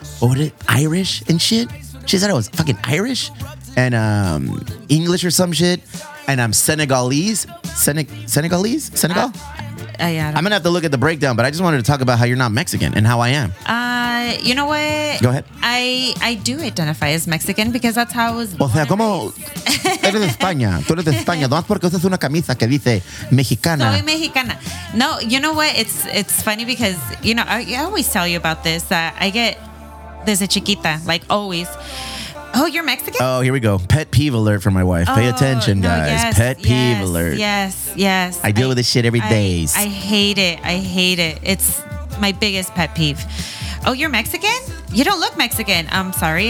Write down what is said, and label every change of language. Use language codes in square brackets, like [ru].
[en] What was it? Irish and shit? She said I was fucking Irish and English or some shit. And I'm Senegalese. Senegalese? Senegal? Yeah, I'm going to have to look at the breakdown, but I just wanted to talk about how you're not Mexican and how I am. You know what? Go ahead. I do identify as Mexican because that's how I was born. [es] O sea, ¿cómo? Eres de España. Tú eres de España. No más porque usas una camisa que dice Mexicana. Soy Mexicana. [en] No, you know what? It's funny because, you know, I always tell you about this. I get [es] desde chiquita, [en] like always. Oh, you're Mexican? Oh, here we go. Pet peeve alert for my wife. Oh, pay attention, guys. No, yes, pet peeve alert. Yes, yes. I deal with this shit every day. I hate it. I hate it. It's my biggest pet peeve. Oh, you're Mexican? You don't look Mexican. I'm sorry.